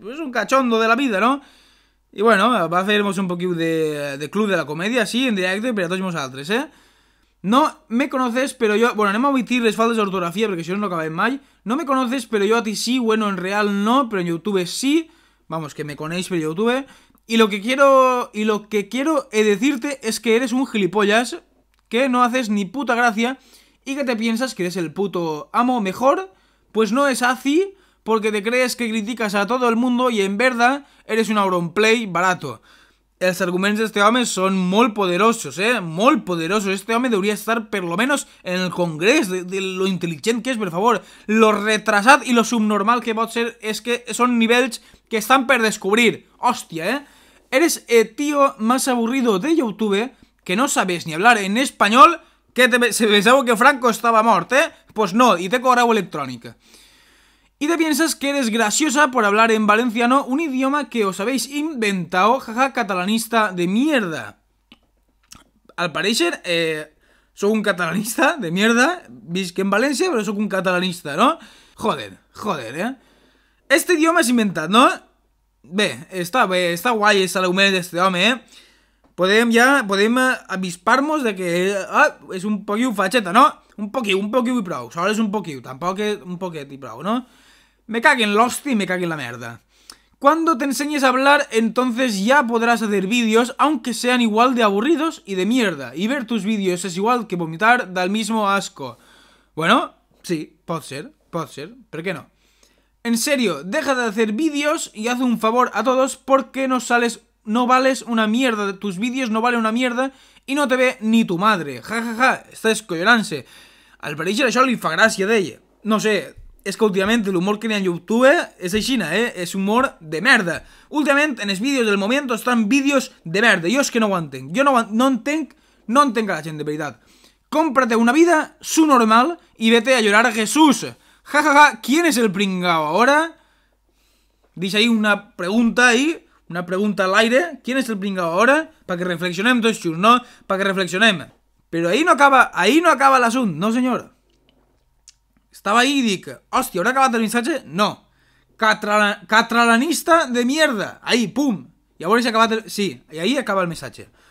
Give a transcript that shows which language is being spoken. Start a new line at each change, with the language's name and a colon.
Catalan: És un cachondo de la vida, no? I bueno, va fer-nos un poquiu de club de la comèdia, sí, en directe, per a tots vosaltres, eh?
Spanish: No me conoces,
Catalan: però jo... Bueno, anem a omitir les faltes d'ortografia, perquè això no acabem mai.
Spanish: No me conoces, però jo a ti sí, bueno, en real no, però en YouTube sí. Vamos, que
Catalan: me coneix per YouTube.
Spanish: Y lo que quiero he decirte es que eres un gilipollas, que no haces ni puta gracia, y que te piensas que eres el puto amo mejor. Pues no es así, porque te crees que criticas a todo el mundo y en verdad eres un auronplay barato.
Catalan: Els arguments d'este home són molt poderosos, eh? Molt poderosos. Este home hauria estar per lo menos en el congrés de lo intel·ligent que és, per favor. Lo retrasat i lo subnormal que pot ser és que són nivells que estan per descobrir. Hòstia, eh?
Spanish: Eres el tío más aburrido de YouTube que no sabes ni hablar en español.
Catalan: Que te pensava que Franco estava mort, eh?
Spanish: Pues no,
Catalan: i té correu electrònic.
Spanish: I te piensas que eres graciosa por hablar en valenciano, un idioma que os habéis inventado, jaja, catalanista de mierda. Al parecer,
Catalan: sóc un
Spanish: catalanista de mierda,
Catalan: visc en València, però sóc un catalanista, no? Joder, joder, eh? Este idioma és inventat, no? Bé, està guai, està l'augment d'este home, eh? Podem avispar-nos de que és un poquiu fatxeta, no? Un poquiu i prou. Sol és un poquiu, tampoc és un poquet i prou, no? Me caguen l'hosti i me caguen la merda.
Spanish: Cuando te enseñes a hablar, entonces ya podrás hacer vídeos, aunque sean igual de aburridos y de mierda. Y ver tus vídeos es igual que vomitar del mismo asco. Bueno, sí,
Catalan: pot ser,
Spanish: ¿por qué no? En serio, deja de hacer vídeos y haz un favor a todos porque no sales... No vales una mierda, tus vídeos no valen una mierda y no te ve ni tu madre.
Catalan: Ja, ja, ja, está escollonant-se.
Spanish: Al parecer
Catalan: això li fa gràcia d'ella. No sé, és que últimament l'humor que hi ha en YouTube és aixina, eh? És humor de merda. Últimament en els vídeos del moment estan vídeos de merda. Jo és que no ho entenc. Jo no entenc, no entenc a la gent de veritat.
Spanish: Cómprate una vida subnormal i vete a llorar a Jesús. Ja, ja, ja, ¿quién es el pringao ahora?
Catalan: Deixa ahí una pregunta ahí. Una pregunta a l'aire,
Spanish: ¿quién es el pringao ahora?
Catalan: Para que reflexionem tots junts, no? Para que reflexionem. Però ahí no acaba l'assumpte, no senyor. Estava ahí i dic, hòstia, haurà acabat el missatge? No.
Spanish: Catalanista de mierda.
Catalan: Ahí, pum. I a veure si ha acabat el... Sí, i ahí acaba el missatge.